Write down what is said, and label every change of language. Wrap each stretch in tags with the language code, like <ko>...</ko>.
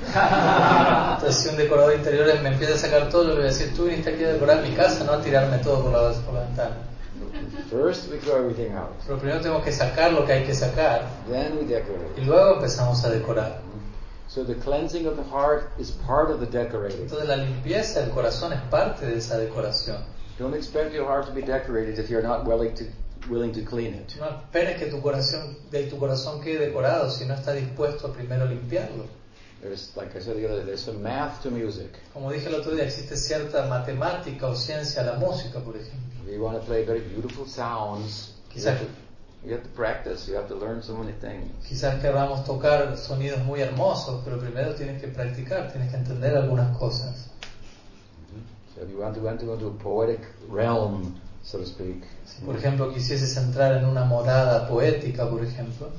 <es>Entonces, si un decorador de interiores me empieza a sacar todo, le voy a decir, tú viniste aquí a decorar mi casa, no a tirarme todo por la ventana.</es> <en>First we throw everything out.</en> <es>Pero primero tenemos que sacar lo que hay que sacar.</es> <en>Then we decorate.</en> <es>Y luego empezamos a decorar.</es> <en>So the cleansing of the heart is part of the decorating.</en> <es>Entonces la limpieza del corazón es parte de esa decoración.</es> <en>Don't expect your heart to be decorated if you're not willing to clean it.</en> <es>No esperes que tu corazón quede decorado si no está dispuesto a primero limpiarlo.</es> <en>There's, like I said the other day, there's a math to music.</en> <es>Como dije el otro día, existe cierta matemática o ciencia a la música, por ejemplo.</es> <en>If you want to play very beautiful sounds, you have to practice. You have to learn so many things.</en> <es>Quizás queramos tocar sonidos muy hermosos, pero primero tienes que practicar, tienes que entender algunas cosas.</es> <en>So if you want to go into a poetic realm, so to speak.</en> <es>Si, por ejemplo, quisiese entrar en una morada poética, por ejemplo.</es>